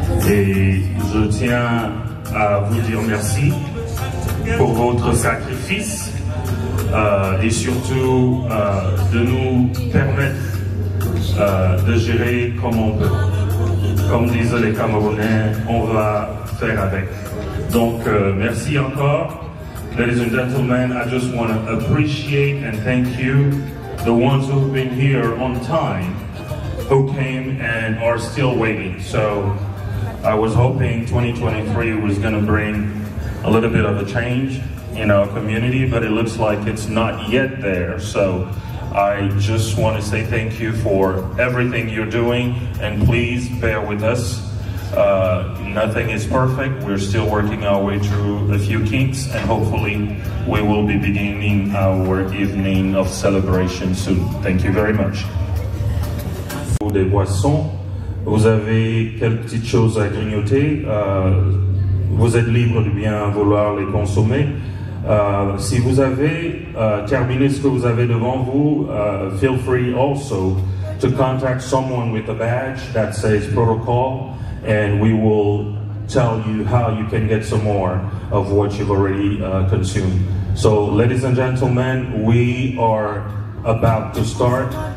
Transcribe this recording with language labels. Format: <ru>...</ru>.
<fr>Et je tiens à vous dire merci pour votre sacrifice et surtout de nous permettre de gérer comme on peut. Comme disent les Camerounais, on va faire avec. Donc merci encore.</fr> <en>Ladies and gentlemen, I just want to appreciate and thank you, the ones who have been here on time, who came and are still waiting. So I was hoping 2023 was gonna bring a little bit of a change in our community, but it looks like it's not yet there. So I just wanna say thank you for everything you're doing, and please bear with us. Nothing is perfect. We're still working our way through a few kinks, and hopefully we will be beginning our evening of celebration soon. Thank you very much.</en> <fr>Des boissons, vous avez quelques petites choses à grignoter, vous êtes libre de bien vouloir les consommer. Si vous avez terminé ce que vous avez devant vous,</fr> <en>feel free also to contact someone with a badge that says protocol, and we will tell you how you can get some more of what you've already consumed. So ladies and gentlemen, we are about to start.</en>